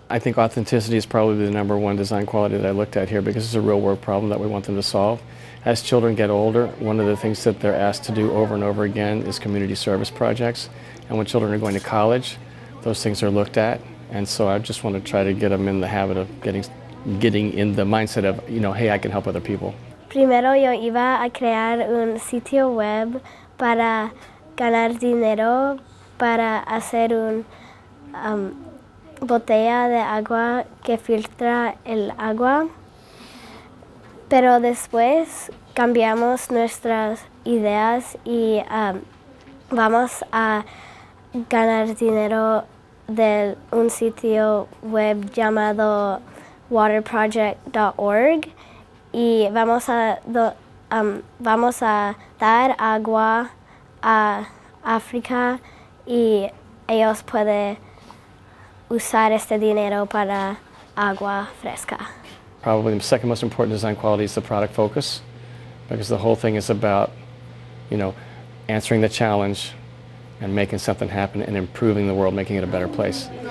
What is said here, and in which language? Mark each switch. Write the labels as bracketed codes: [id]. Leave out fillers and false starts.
[en] I think authenticity is probably the number one design quality that I looked at here, because it's a real world problem that we want them to solve. As children get older, one of the things that they're asked to do over and over again is community service projects. And when children are going to college, those things are looked at. And so I just want to try to get them in the habit of getting in the mindset of, you know, hey, I can help other people. [es] Primero yo iba a crear un sitio web para ganar dinero para hacer un botella de agua que filtra el agua. Pero después cambiamos nuestras ideas y vamos a ganar dinero de un sitio web llamado waterproject.org y vamos a dar agua a África y ellos pueden usar este dinero para agua fresca. [en] Probably the second most important design quality is the product focus, because the whole thing is about, you know, answering the challenge and making something happen and improving the world, making it a better place.